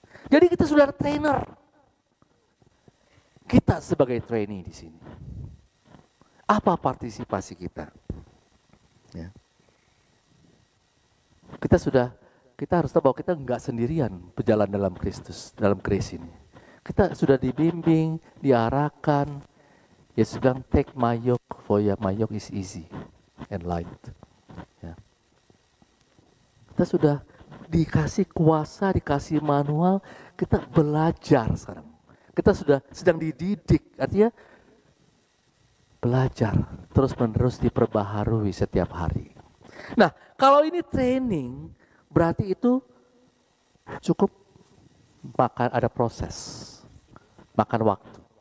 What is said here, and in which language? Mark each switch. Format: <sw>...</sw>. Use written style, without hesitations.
<id>Jadi kita sudah ada trainer. Kita sebagai trainee di sini. Apa partisipasi kita? Ya. kita sudah, kita harus tahu bahwa kita enggak sendirian berjalan dalam Kristus, dalam grace ini. Kita sudah dibimbing, diarahkan. Yesus bilang,</id> <en>take my yoke, for my yoke is easy and light.</en> <id>Ya. Kita sudah dikasih kuasa, dikasih manual, kita belajar sekarang. Kita sudah sedang dididik, artinya belajar terus-menerus diperbaharui setiap hari. Nah, kalau ini training, berarti itu cukup makan, ada proses, makan waktu.</id>